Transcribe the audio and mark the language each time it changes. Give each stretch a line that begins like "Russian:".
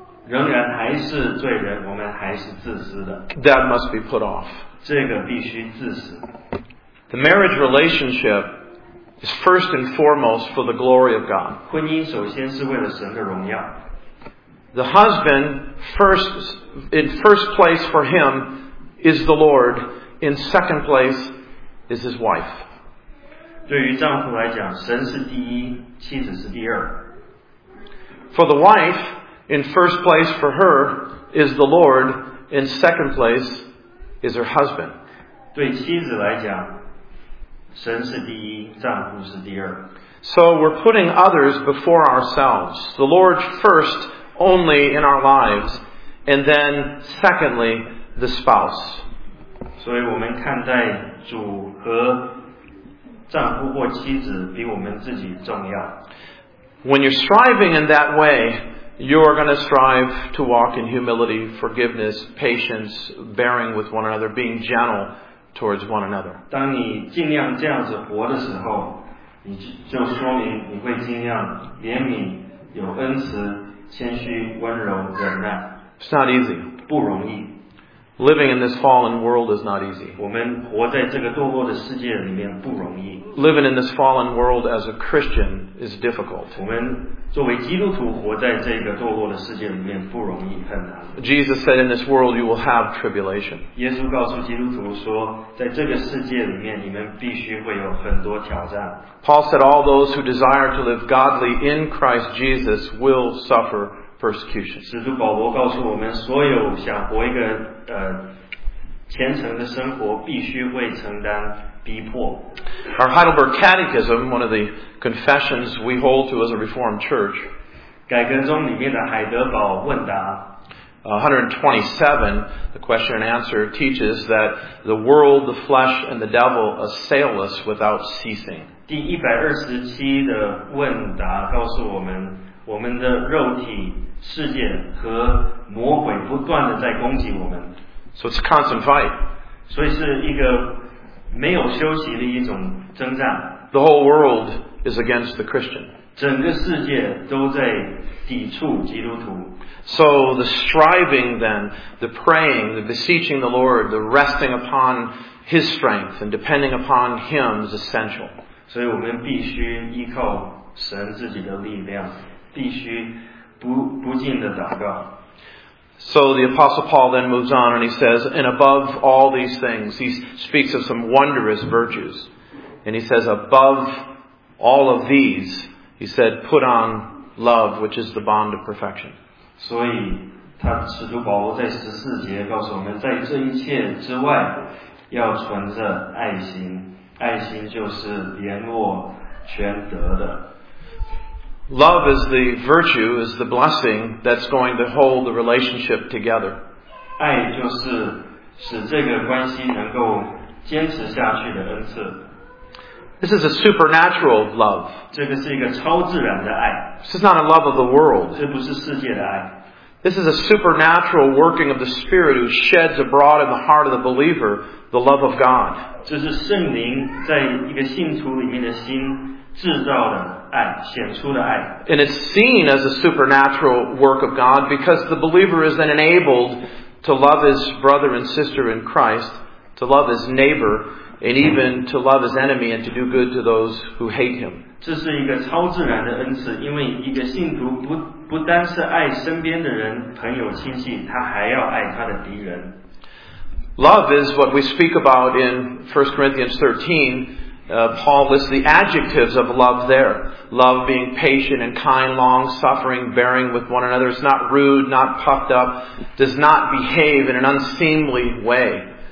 Chinese: 仍然还是罪人，我们还是自私的。
English: That must be put off.
Chinese: 这个必须自私。
English: The marriage relationship is first and foremost for the glory of God.
Chinese: 婚姻首先是为了神的荣耀。
English: The husband, in first place for him, is the Lord. In second place, is his wife.
Chinese: 对于丈夫来讲，神是第一，妻子是第二。
English: For the wife, in first place for her, is the Lord. In second place, is her husband.
Chinese: 对妻子来讲，神是第一，丈夫是第二。
English: So we're putting others before ourselves. The Lord first. Only in our lives, and then secondly, the spouse.
Chinese: 所以我们看待主和丈夫或妻子比我们自己重要。
English: When you're striving in that way, you are going to strive to walk in humility, forgiveness, patience, bearing with one another, being gentle towards one another.
Chinese: 当你尽量这样子活的时候，你就说明你会尽量怜悯，有恩慈。谦虚、温柔、忍耐。
English: It's not easy.
Chinese: 不容易。
English: Living in this fallen world is not easy.
Chinese: 我们活在这个堕落的世界里面不容易。
English: Living in this fallen world as a Christian is difficult.
Chinese: 我们作为基督徒活在这个堕落的世界里面不容易，很难。
English: Jesus said, "In this world, you will have tribulation."
Chinese: 耶稣告诉基督徒说，在这个世界里面，你们必须会有很多挑战。
English: Paul said, "All those who desire to live godly in Christ Jesus will suffer persecution."
Chinese: 使徒保罗告诉我们，所有想活一个虔诚的生活，必须会承担。
English: Our Heidelberg Catechism, one of the confessions we hold to as a Reformed Church,
Chinese: 改革宗里面的海德堡问答
English: 127, the question and answer teaches that the world, the flesh, and the devil assail us without ceasing.
Chinese: 第127的问答告诉我们，我们的肉体、世界和魔鬼不断的在攻击我们。
English: So it's a constant fight.
Chinese: 所以是一个没有休息的一种征战。
English: The whole world is against the Christian.
Chinese: 整个世界都在抵触基督徒。
English: So the striving then, the praying, the beseeching the Lord, the resting upon His strength and depending upon Him is essential.
Chinese: 所以我们必须依靠神自己的力量，必须不尽的祷告。
English: So the Apostle Paul then moves on and he says, and above all these things, he speaks of some wondrous virtues. And he says, above all of these, he said, put on love, which is the bond of perfection.
Chinese: 所以他使徒保罗在14节告诉我们，在这一切之外，要存着爱心，爱心就是联络全德的。
English: Love is the virtue, is the blessing that's going to hold the relationship together.
Chinese: 爱就是使这个关系能够坚持下去的恩赐。
English: This is a supernatural love.
Chinese: 这个是一个超自然的爱。
English: This is not a love of the world.
Chinese: 这不是世界的爱。
English: This is a supernatural working of the Spirit who sheds abroad in the heart of the believer the love of God.
Chinese: 这是圣灵在一个信徒里面的心制造的爱，显出的爱。
English: And it's seen as a supernatural work of God because the believer is then enabled to love his brother and sister in Christ, to love his neighbor, and even to love his enemy and to do good to those who hate him.
Chinese: 这是一个超自然的恩赐，因为一个信徒不单是爱身边的人、朋友、亲戚，他还要爱他的敌人。
English: Love is what we speak about in 1 Corinthians 13, Paul lists the adjectives of love there. Love being patient and kind, long-suffering, bearing with one another. It's not rude, not puffed up, does not behave in an unseemly way.